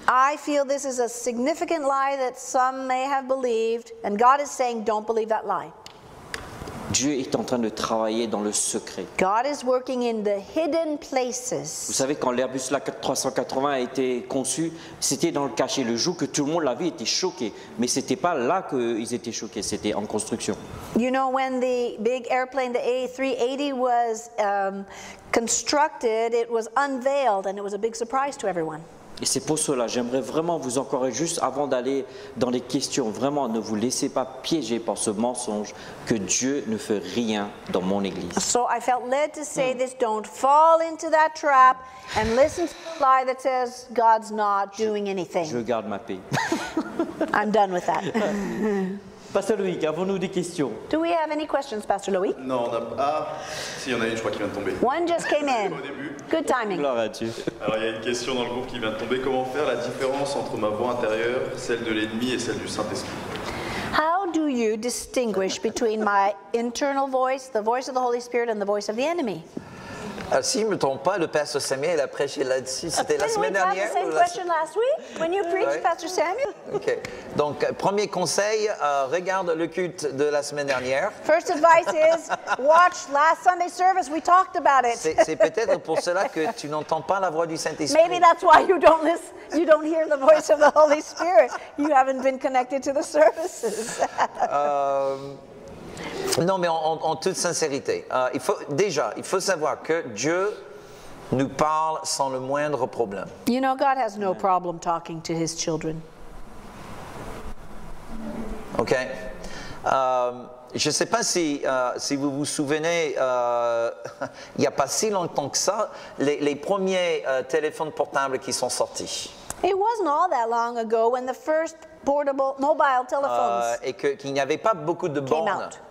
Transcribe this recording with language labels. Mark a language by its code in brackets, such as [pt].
[en] I feel this is a significant lie that some may have believed, and God is saying, don't believe that lie. [fr] Dieu est en train de travailler dans le secret. [en] God is working in the hidden places. [fr] Vous savez, quand l'Airbus A380 a été conçu, c'était dans le cachet. Le jour que tout le monde l'a vu, il était choqué. Mais ce n'était pas là qu'ils étaient choqués, c'était en construction. [en] You know, when the big airplane, the A380, was constructed, it was unveiled and it was a big surprise to everyone. [fr] Et c'est pour cela, j'aimerais vraiment vous encourager juste avant d'aller dans les questions, vraiment ne vous laissez pas piéger par ce mensonge que Dieu ne fait rien dans mon église. [en] So I felt led to say this, don't fall into that trap and listen to the lie that says God's not doing anything. [fr] Je garde ma paix. [en] I'm done with that. [fr] Pasteur Loïc, avons-nous des questions? [en] Do we have any questions, Pasteur Loïc? [fr] Non, on a pas. Si, il y en a une, je crois, qui vient de tomber. [en] One just came in. [fr] Au début. [en] Good timing. [fr] Gloire à Dieu. Alors, il y a une question dans le groupe qui vient de tomber. Comment faire la différence entre ma voix intérieure, celle de l'ennemi et celle du Saint-Esprit? [en] How do you distinguish between my internal voice, the voice of the Holy Spirit, and the voice of the enemy? [fr] Ah, si je ne me trompe pas, le pasteur Samuel a prêché là-dessus, c'était la semaine dernière. [en] Didn't we have the same question last week, when you preached, Pastor Samuel? Okay. [fr] Donc, premier conseil, regarde le culte de la semaine dernière. [en] First advice is, watch last Sunday service, we talked about it. [fr] C'est peut-être pour cela que tu n'entends pas la voix du Saint-Esprit. [en] Maybe that's why you don't hear the voice of the Holy Spirit. You haven't been connected to the services. [fr] Non, mais en toute sincérité, il faut savoir que Dieu nous parle sans le moindre problème. [en] You know, God has no problem talking to his children. OK. [fr] Je ne sais pas si vous vous souvenez, il n'y a pas si longtemps que ça, les premiers téléphones portables qui sont sortis. [en] It wasn't all that long ago when the first portable mobile telephones [fr] et qu'il n'y avait pas beaucoup de bornes.